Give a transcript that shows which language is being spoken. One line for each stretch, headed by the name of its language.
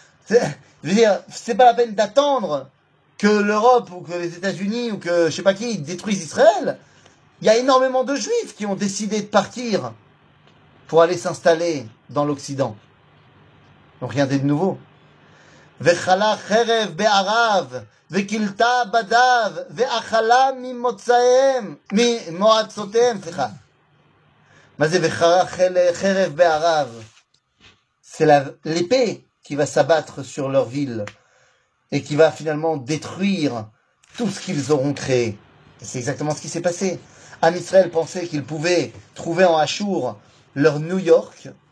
French: Je veux dire, c'est pas la peine d'attendre que l'Europe ou que les États-Unis ou que je sais pas qui détruisent Israël, il y a énormément de Juifs qui ont décidé de partir pour aller s'installer dans l'Occident. Donc rien d'être nouveau.
Hebrew: וחלה חרב בערב, וקילתה בדיו, ואכלה ממוצאיהם, ממועצותיהם, סליחה. מה זה וחלה חרב בערב?
French: C'est l'épée qui va s'abattre sur leur ville et qui va finalement détruire tout ce qu'ils auront créé. Et c'est exactement ce qui s'est passé. Am Israël pensait qu'ils pouvaient trouver en Ashour leur New York.